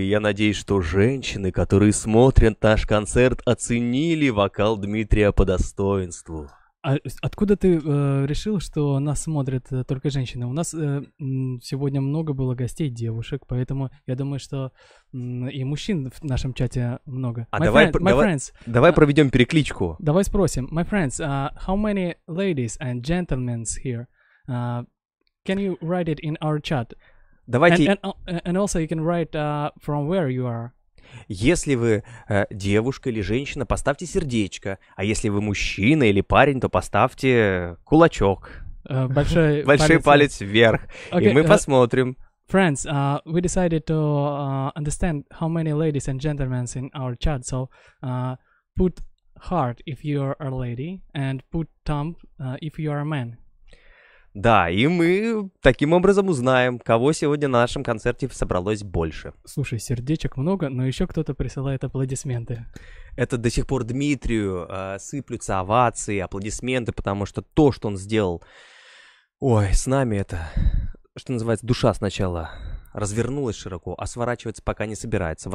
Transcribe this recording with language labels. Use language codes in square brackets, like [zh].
[ru] Я надеюсь, что женщины, которые смотрят наш концерт, оценили вокал Дмитрия по достоинству. Откуда ты решил, что нас смотрят только женщины? У нас сегодня много было гостей, девушек, поэтому я думаю, что и мужчин в нашем чате много. Давай проведем перекличку. Давай спросим. [en] My friends, how many ladies and gentlemen here? Can you write it in our chat? [ru] Давайте. [en] And also you can write from where you are. [ru] Если вы девушка или женщина, поставьте сердечко. А если вы мужчина или парень, то поставьте кулачок. Большой палец вверх. Okay, и мы посмотрим. [en] Friends, we decided to understand how many ladies and gentlemen in our chat. So put heart if you are a lady and put thumb if you are a man. [ru] Да, и мы таким образом узнаем, кого сегодня на нашем концерте собралось больше. Слушай, сердечек много, но еще кто-то присылает аплодисменты. Это до сих пор Дмитрию сыплются овации, аплодисменты, потому что то, что он сделал, ой, с нами это, что называется, душа сначала развернулась широко, а сворачиваться пока не собирается.